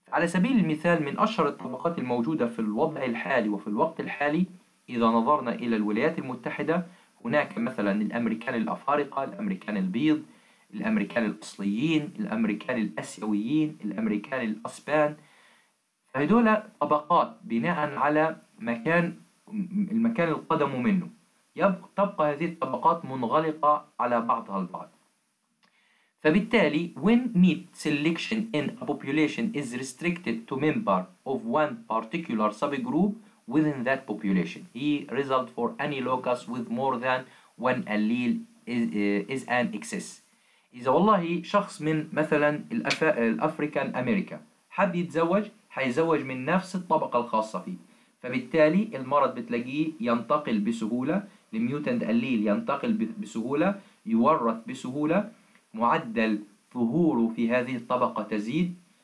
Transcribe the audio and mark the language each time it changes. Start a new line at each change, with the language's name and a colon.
Arabic: على سبيل المثال، من أشهر الطبقات الموجودة في الوضع الحالي وفي الوقت الحالي، إذا نظرنا إلى الولايات المتحدة، هناك مثلا الأمريكان الأفارقة، الأمريكان البيض، الأمريكان الأصليين، الأمريكان الأسيويين، الأمريكان الأسبان. فهدول طبقات بناء على المكان اللي قدموا منه، تبقى هذه الطبقات منغلقة على بعضها البعض. فبالتالي
English: when meat selection in a population is restricted to member of one particular subgroup within that population, he result for any locus with more than one allele is an excess.
Arabic: إذا والله شخص من مثلا الأفريكان أمريكا حد يتزوج، هيزوج من نفس الطبقة الخاصة فيه، فبالتالي المرض بتلاقيه ينتقل بسهولة، الميوتنت أليل ينتقل بسهولة، يورث بسهولة، معدل ظهوره في هذه الطبقة تزيد.